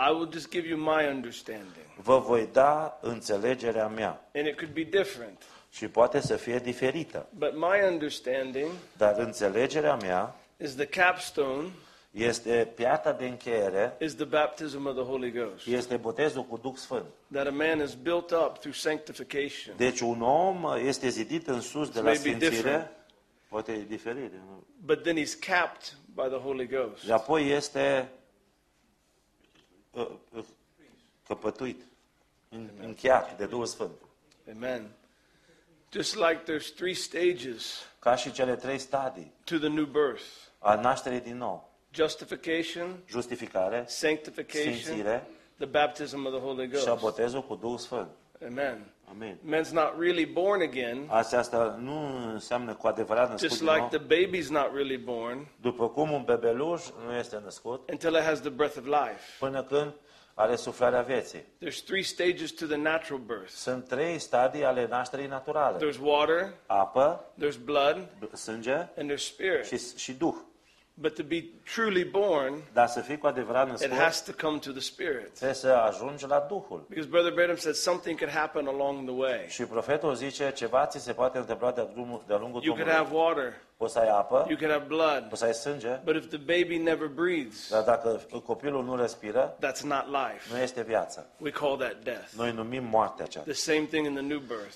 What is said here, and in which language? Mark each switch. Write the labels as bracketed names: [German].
[English] I will just give you my understanding. [Romanian] Vă voi da înțelegerea mea. [English] And it could be different. [Romanian] Și poate să fie diferită. [English] But my understanding. [Romanian] Dar înțelegerea mea. [English] Is the capstone. [Romanian] Este piatra de încheiere. [English] Is the baptism of the Holy Ghost. [Romanian] Este botezul cu Duh Sfânt. [English] That a man is built up through sanctification. [Romanian] Deci un om este zidit în sus de la sfințire. Poate e diferit. [English] But then he's capped by the Holy Ghost. [Romanian] Și apoi este căpătuit, încheiat de Duh Sfânt. [English] Amen. Just like there's three stages. [Romanian] Ca și cele trei stadii. [English] To the new birth. [Romanian] A nașterii din nou. [English] Justification, [Romanian] justificare, [English] sanctification, [Romanian] sfințire, [English] the baptism of the Holy Ghost. [Romanian] Și botezul cu Duhul Sfânt. [English] Amen. Amen. Man's not really born again. [Romanian] Asta nu înseamnă cu adevărat născut. [English] Just like the baby's not really born. [Romanian] După cum un bebeluș nu este născut. [English] Until it has the breath of life. [Romanian] Până când are suflarea vieții. [English] There's three stages to the natural birth. [Romanian] Sunt trei stadii ale nașterii naturale. [English] There's water. [Romanian] Apă. [English] There's blood. [Romanian] Sânge. [English] And there's spirit. [Romanian] Și Duh. [English] But to be truly born, [Romanian] da, să fii cu adevărat născut, [English] it has to come to the Spirit. [Romanian] Trebuie să ajungi la Duhul. [English] Because Brother Branham said something could happen along the way. [Romanian] Și profetul zice ceva ți se poate întâmpla de-a lungul drumului. [English] You could have water. [Romanian] Poți să ai apă. [English] You could have blood. [Romanian] Poți să ai sânge. [English] But if the baby never breathes, [Romanian] dar dacă copilul nu respiră, [English] that's not life. [Romanian] Nu este viață. [English] We call that death. [Romanian] Noi numim moartea aceasta. [English] The same thing in the new birth.